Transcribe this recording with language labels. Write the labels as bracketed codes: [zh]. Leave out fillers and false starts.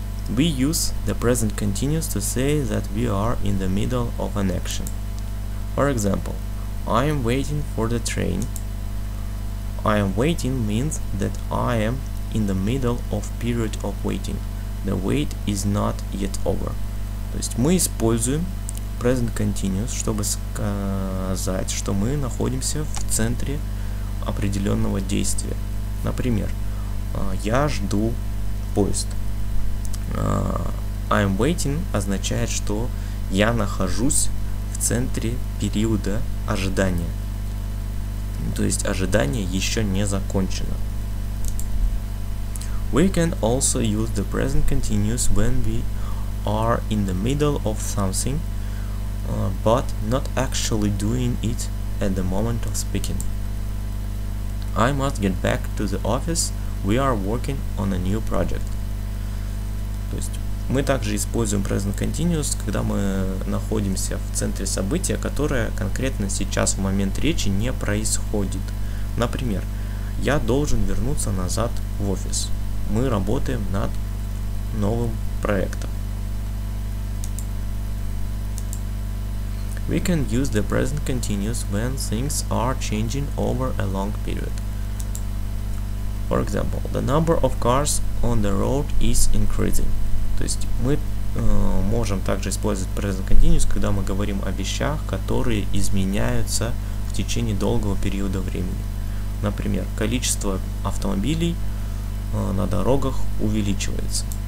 [en] We use the present continuous to say that we are in the middle of an action. For example, I am waiting for the train. I am waiting means that I am in the middle of period of waiting. The wait is not yet over. [ru] То есть мы используем present continuous, чтобы сказать, что мы находимся в центре определенного действия. Например, я жду поезд. [en] I am waiting [ru] означает, что я нахожусь в центре периода ожидания. То есть ожидание еще не закончено. [en] We can also use the present continuous when we are in the middle of something, but not actually doing it at the moment of speaking. I must get back to the office. We are working on a new project. [ru] То есть мы также используем present continuous, когда мы находимся в центре события, которое конкретно сейчас в момент речи не происходит. Например, я должен вернуться назад в офис. Мы работаем над новым проектом. [en] We can use the present continuous when things are changing over a long period. For example, the number of cars on the road is increasing. [ru] То есть мы можем также использовать present continuous, когда мы говорим о вещах, которые изменяются в течение долгого периода времени. Например, количество автомобилей на дорогах увеличивается.